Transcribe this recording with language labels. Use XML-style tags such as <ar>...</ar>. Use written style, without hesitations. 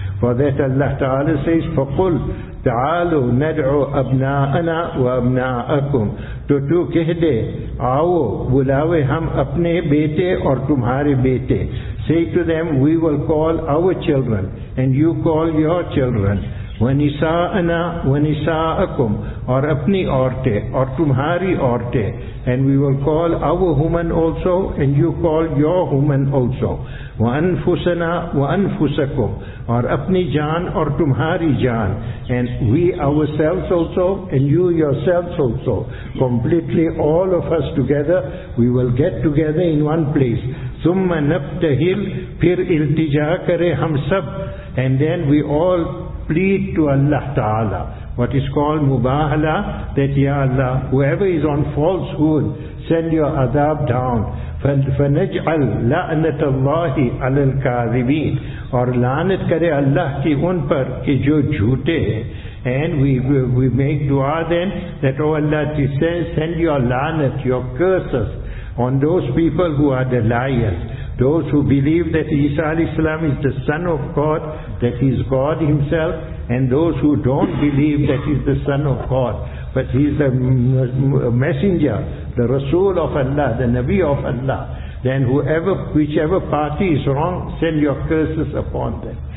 <en>For that Allah Ta'ala says,</en> <ar>فَقُلْ تَعَالُوا نَدْعُوا أَبْنَاءَنَا وَأَبْنَاءَكُمْ</ar> <ur>تو تو کہہ دے آؤ بلاوے ہم اپنے بیٹے اور تمہارے بیٹے.</ur> <en>Say to them, we will call our children and you call your children.</en> <ar>وَنِسَاءَنَا وَنِسَاءَكُمْ</ar> <ur>اور اپنی عورتے اور تمہاری عورتے.</ur> <en>And we will call our woman also and you call your woman also.</en> <ar>وَأَنفُسَنَا وَأَنفُسَكُمْ</ar> <ur>اور اپنی جان اور تمہاری جان.</ur> <en>And we ourselves also and you yourselves also. Completely all of us together, we will get together in one place.</en> <ar>ثُمَّ نَبْتَهِلْ</ar> <ur>پھر التجا کرے ہم سب.</ur> <en>And then we all plead to Allah Ta'ala, what is called mubahala, that Ya Allah, whoever is on falsehood, send your adab down.</en> <ar>فَنَجْعَلْ لَعْنَةَ اللَّهِ عَلَى الْكَاذِبِينَ</ar> <ur>اور لعنت کرے اللہ کی ان پر کہ جو جھوٹے ہیں.</ur> <en>And we make dua then, that O Allah, send your lanat, your curses, on those people who are the liars. Those who believe that Isa a.s. is the Son of God, that He is God Himself, and those who don't believe that He is the Son of God, but He is the Messenger, the Rasul of Allah, the Nabi of Allah, then whichever party is wrong, send your curses upon them.</en>